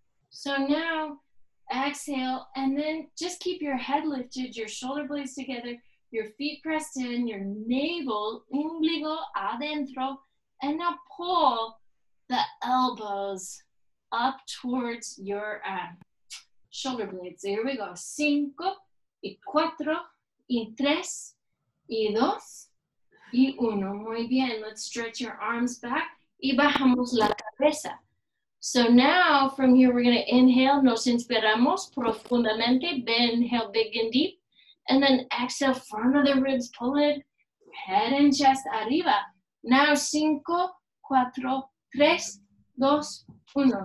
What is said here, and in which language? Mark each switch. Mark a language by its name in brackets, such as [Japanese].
[English] So now exhale and then just keep your head lifted, your shoulder blades together, your feet pressed in, your navel, [Spanish] umbligo adentro, [English] and now pull the elbows up towards your shoulder blades. So here we go. [Spanish] Cinco y cuatro y tres y dos y uno. Muy bien. [English] Let's stretch your arms back [Spanish] y bajamos la cabeza. [English] So now from here, we're going to inhale. [Spanish] Nos inspiramos profundamente. [English] Inhale big and deep. And then exhale, front of the ribs, pull it. Head and chest, [Spanish] arriba. [English] Now, [Spanish] cinco, cuatro, tres, dos, uno.